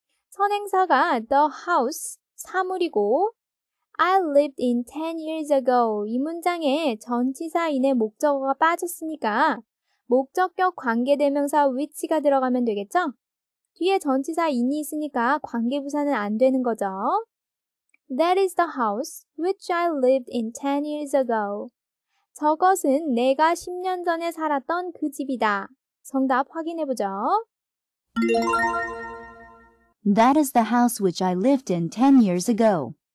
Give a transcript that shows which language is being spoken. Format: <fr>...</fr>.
<ko>선행사가</ko> <en>the house,</en> <ko>사물이고</ko> <en>I lived in 10 years ago.</en> <ko>이 문장에 전치사인의 목적어가 빠졌으니까 목적격 관계대명사 which가 들어가면 되겠죠? 뒤에 전치사 in이 있으니까 관계부사는 안 되는 거죠.</ko> <en>That is the house which I lived in 10 years ago.</en> <ko>저것은 내가 10년 전에 살았던 그 집이다. 정답 확인해 보죠.</ko> <en>That is the house which I lived in 10 years ago.</en>